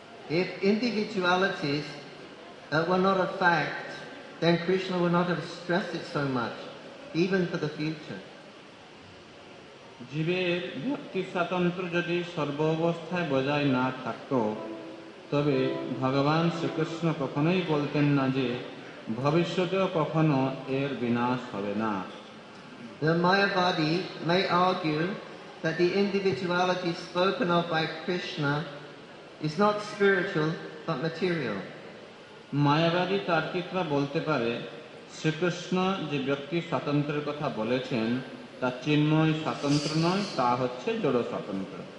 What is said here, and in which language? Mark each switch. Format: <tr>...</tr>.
<en>If individualities were not a fact, then Krishna would not have stressed it so much, even for the future.</en> <bn>জীবের ব্যক্তিস্বাতন্ত্র্য যদি সর্ব অবস্থায় বজায় না থাকত, তবে ভগবান শ্রীকৃষ্ণ কখনোই বলতেন না যে ভবিষ্যতেও কখনো এর বিনাশ হবে না।</bn> <en>The Mayavadi may argue that the individuality spoken of by Krishna is not spiritual but material.</en> <bn>মায়াবাদী তার্কিকরা বলতে পারে, শ্রীকৃষ্ণ যে ব্যক্তি স্বাতন্ত্র্যের কথা বলেছেন তা চিন্ময় স্বাতন্ত্র নয়, তা হচ্ছে জড় স্বাতন্ত্র।</bn>